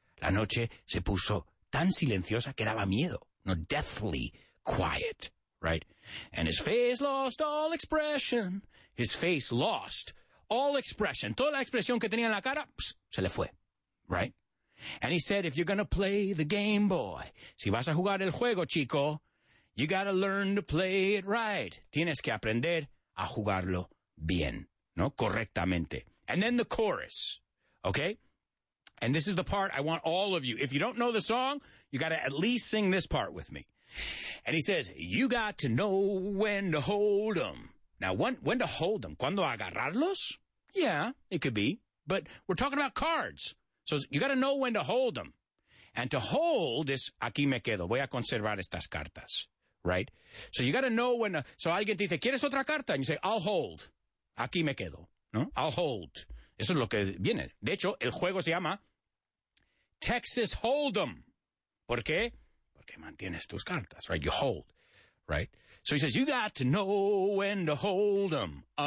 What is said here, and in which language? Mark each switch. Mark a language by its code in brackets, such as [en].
[es] La noche se puso tan silenciosa que daba miedo. No, [en] deathly quiet, right? And his face lost all expression. His face lost all expression. [es] Toda la expresión que tenía en la cara, se le fue, right? [en] And he said, if you're going to play the game, boy, [es] si vas a jugar el juego, chico, [en] you got to learn to play it right. [es] Tienes que aprender a jugarlo bien, no, correctamente. [en] And then the chorus, okay? And this is the part I want all of you. If you don't know the song, you got to at least sing this part with me. And he says, you got to know when to hold them. Now, when to hold them? [es] ¿Cuándo agarrarlos? [en] Yeah, it could be. But we're talking about cards. So you got to know when to hold them. And to hold this, [es] aquí me quedo. Voy a conservar estas cartas. [en] Right? So you got to know when. So [es] alguien dice, ¿quieres otra carta? [en] And you say, I'll hold. [es] Aquí me quedo. No? [en] I'll hold. [es] Eso es lo que viene. De hecho, el juego se llama Texas Hold'em. ¿Por qué? Porque mantienes tus cartas, [en] right? You hold, right? So he says, you got to know when to hold 'em.